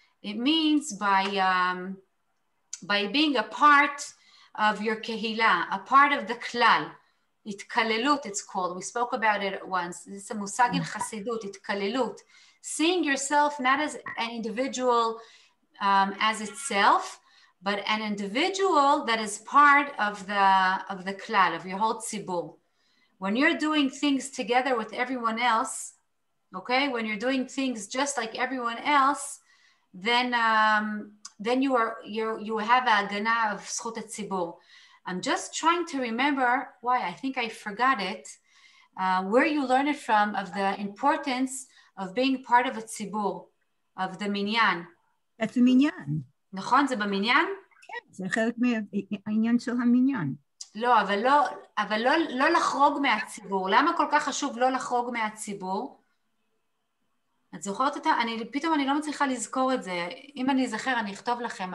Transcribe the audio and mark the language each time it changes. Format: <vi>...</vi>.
<en>It means by being a part of your קהילה, a part of the כלל. התכללות, it's called. We spoke about it once. This is a מושג in חסידות, התכללות. Seeing yourself not as an individual as itself, but an individual that is part of the klal, of your whole tzibur. When you're doing things together with everyone else, okay, when you're doing things just like everyone else, then you have a hagana of zchut tzibur. I'm just trying to remember why, I think I forgot it, where you learn it from, of the importance of being part of a tzibur, of the minyan. That's the minyan.</en> <he>נכון, זה במניין? כן, זה חלק מהעניין של המניין. לא, אבל לא לחרוג מהציבור. למה כל כך חשוב לא לחרוג מהציבור? את זוכרת אותה? פתאום אני לא מצליחה לזכור את זה. אם אני אזכר, אני אכתוב לכם.</he>